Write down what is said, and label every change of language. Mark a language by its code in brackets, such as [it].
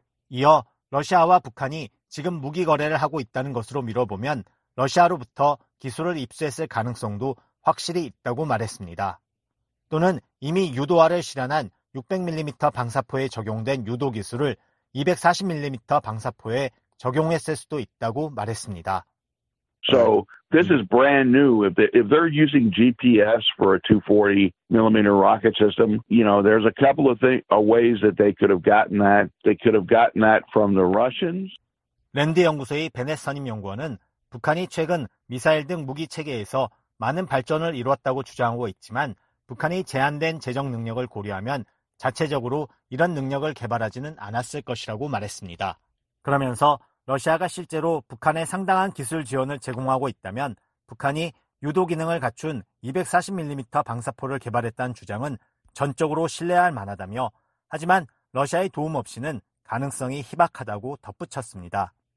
[ko] 이어 러시아와 북한이 지금 무기 거래를 하고 있다는 것으로 미뤄보면 러시아로부터 기술을 입수했을 가능성도 확실히 있다고 말했습니다. 또는 이미 유도화를 실현한 600mm 방사포에 적용된 유도 기술을 240mm 방사포에 적용했을 수도 있다고 말했습니다. [en] So this is brand new. If they're using GPS for a 240mm rocket system, you know, there's a couple of ways that they could have gotten that. They could have gotten that from the Russians. [ko] 랜드 연구소의 베넷 선임 연구원은 북한이 최근 미사일 등 무기 체계에서 많은 발전을 이루었다고 주장하고 있지만 북한의 제한된 재정 능력을 고려하면 자체적으로 이런 능력을 개발하지는 않았을 것이라고 말했습니다. 그러면서 러시아가 실제로 북한에 상당한 기술 지원을 제공하고 있다면 북한이 유도 기능을 갖춘 240mm 방사포를 개발했다는 주장은 전적으로 신뢰할 만하다며 하지만 러시아의 도움 없이는 가능성이 희박하다고 덧붙였습니다.